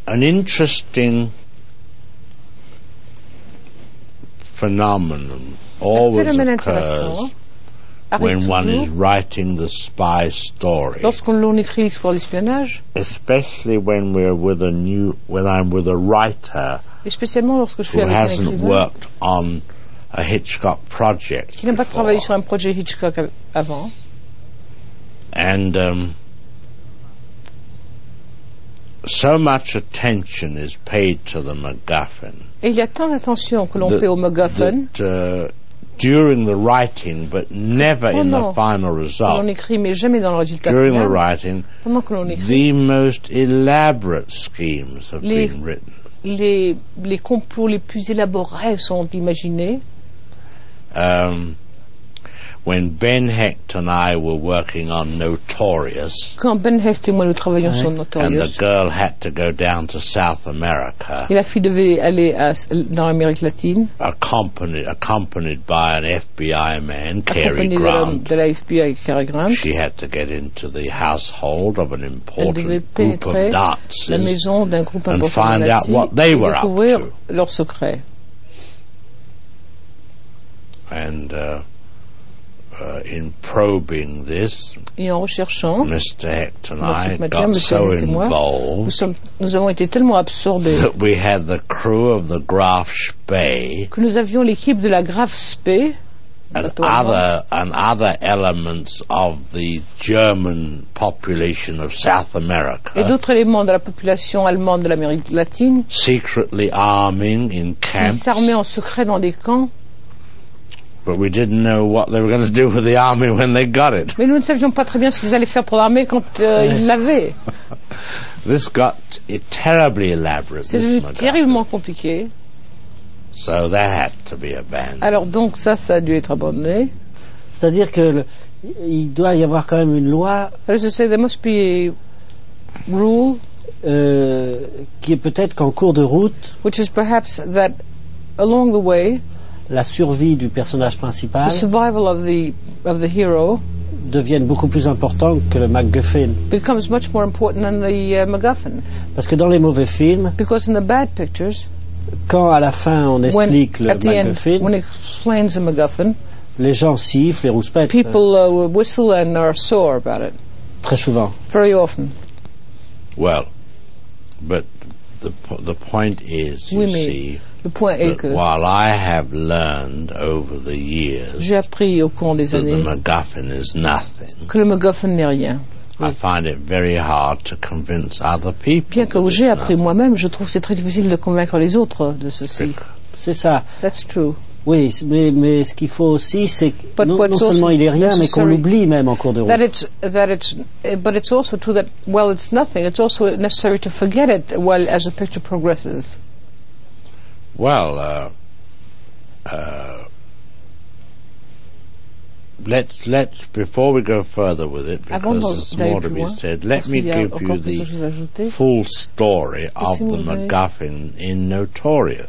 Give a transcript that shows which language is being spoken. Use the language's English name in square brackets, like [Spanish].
[English] An interesting phenomenon always occurs when one is writing the spy story, [French] lorsqu'on écrit l'histoire d'espionnage, [English] especially when we're with a new, when I'm with a writer, [French] et spécialement lorsque je suis [English] who hasn't worked on a Hitchcock project, [French] qui n'a pas travaillé sur un projet Hitchcock avant, [English] and so much attention is paid to the MacGuffin. [French] Et il y a tant d'attention que l'on fait au MacGuffin. [English] During the writing, but never in the final result. [French] On écrit, mais jamais dans le résultat. [English] During final, the writing, [French] pendant que l'on écrit, [English] the most elaborate schemes have been written. [French] Les complots les plus élaborés sont imaginés. [English] When Ben Hecht and I were working on Notorious, [French] quand Ben Hecht et moi nous travaillions sur Notorious, [English] and the girl had to go down to South America, [French] et la fille devait aller dans l'Amérique latine, [English] accompanied by an FBI man, Cary Grant, [French] de la FBI, Cary Grant, [English] she had to get into the household of an important group of Nazis, [French] la maison d'un groupe [English] and find out what they were up to, [French] découvrir leurs secrets, [English] and in probing this, [French] et en recherchant, [English] Mr. Hecht and I got so involved, [French] nous avons été tellement absorbés, [English] that we had the crew of the Graf Spee, [French] que nous avions l'équipe de la Graf Spee, [English] and other elements of the German population of South America, [French] et d'autres éléments de la population allemande de l'Amérique latine, [English] secretly arming in camps, [French] s'armaient en secret dans des camps. [English] But we didn't know what they were going to do with the army when they got it. [French] Mais nous ne savions pas très bien ce qu'ils allaient faire pour l'armée quand ils l'avaient. [English] This got terribly elaborate. [French] C'est devenu terriblement compliqué. [English] So that had to be abandoned. [French] Alors donc ça, ça a dû être abandonné. C'est-à-dire que il doit y avoir quand même une loi. [English] As I say, there must be a rule, [French] qui est peut-être qu'en cours de route, [English] which is perhaps that along the way, [French] la survie du personnage principal, [English] the survival of the hero, [French] devienne beaucoup plus importante que le MacGuffin, [English] becomes much more important than the MacGuffin, [French] parce que dans les mauvais films, [English] because in the bad pictures, [French] quand à la fin on explique [English] when, at [French] le [English] the MacGuffin, end, when it explains the MacGuffin, [French] les gens sifflent, les rouspètent, [English] people whistle and are sore about it, [French] très souvent, [English] very often. Well, but the point is, [French] oui, [English] you see, [French] le point est [English] that [French] que [English] while I have learned over the years, [French] j'ai appris au cours des années, [English] that the MacGuffin is nothing, [French] que le MacGuffin n'est rien, [English] I find it very hard to convince other people. [French] Bien que j'ai appris moi-même, je trouve que c'est très difficile de convaincre les autres de ceci. C'est ça. [English] That's true. [French] Oui, mais ce qu'il faut aussi, c'est que non seulement il est rien, mais qu'on l'oublie même en cours de route. [English] But it's also true that while it's nothing, it's also necessary to forget it while as the picture progresses. Well, let's before we go further with it, because there's more to be said, let me give you the full story of the MacGuffin in Notorious.